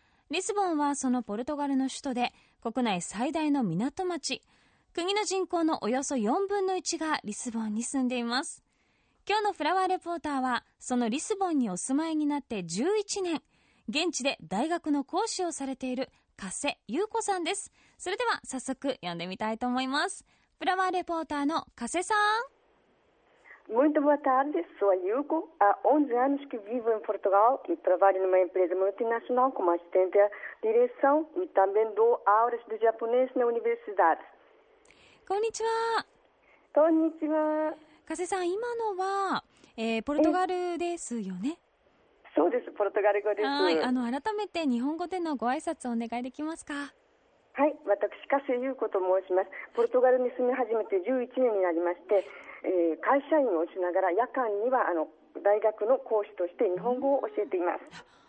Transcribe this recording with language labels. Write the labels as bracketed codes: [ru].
[ja] リスボンはそのポルトガルの首都で国内最大の港町、国の人口のおよそ4分の1がリスボンに住んでいます。今日のフラワーレポーターはそのリスボンにお住まいになって11年、現地で大学の講師をされている加瀬優子さんです。それでは早速呼んでみたいと思います。フラワーレポーターの加瀬さん。 [pt] Muito boa tarde, sou a Yuko. Há 11 anos que vivo em Portugal e trabalho numa empresa multinacional como assistente de direção e também dou aulas de japonês na universidade. [ja] Konnichiwa. Konnichiwa. Kase-san, 今のは、ポルトガルですよね。そうです、ポルトガル語です。はい、改めて日本語でのご挨拶をお願いできますか。はい、私、加瀬優子と申します。ポルトガルに住み始めて11年になりまして、会社員をしながら夜間には大学の講師として日本語を教えています。